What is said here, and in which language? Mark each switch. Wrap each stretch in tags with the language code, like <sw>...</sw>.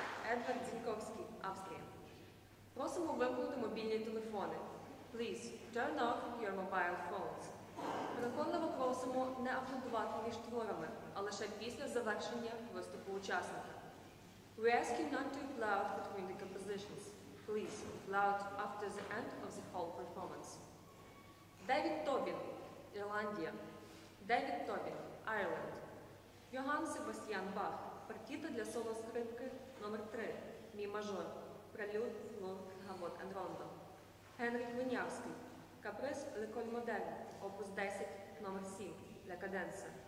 <uk>Едвард Зіньковський, Австрія. Просимо вимкнути мобільні телефони.</uk> <en>Please, turn off your mobile phones.</en> <uk>Переконливо просимо не аплодувати між творами, а лише після завершення виступу учасника.</uk> <en>We ask you not to applaud between the compositions. Please, applaud after the end of the whole performance.</en> <uk>Дэвид Тобін, Ірландія. Дэвид Тобін, Ireland. Йоганн Себастьян Бах, партіта для соло-скрипки номер 3, мі мажор. Прелюд, лонг, гамот енд рондо. Генрік Винявський, каприз Леколь Моден, опус 10, номер 7, для каденса.</uk>